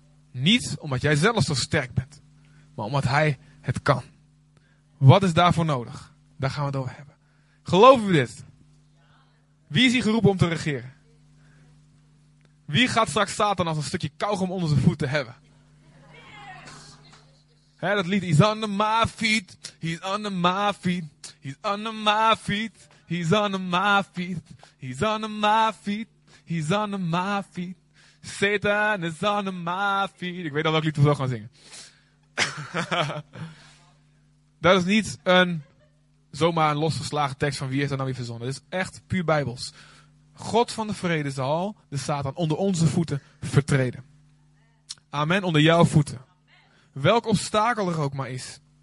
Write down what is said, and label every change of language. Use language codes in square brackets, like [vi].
[nl] Niet omdat jij zelf zo sterk bent, maar omdat hij het kan. Wat is daarvoor nodig? Daar gaan we het over hebben. Geloven we dit? Wie is hier geroepen om te regeren? Wie gaat straks Satan als een stukje kauwgom onder zijn voeten hebben? He, dat lied, [en] he's under my feet, he's under my feet, he's under my feet, he's under my feet, he's under my feet, he's under my feet, Satan is under my feet. [nl] Ik weet al welk lied we zo gaan zingen. Dat is niet een zomaar een losgeslagen tekst van wie heeft dat nou weer verzonnen. Dat is echt puur Bijbels. God van de vrede zal de Satan onder onze voeten vertreden. Amen, onder jouw voeten. Welk obstakel er ook maar is.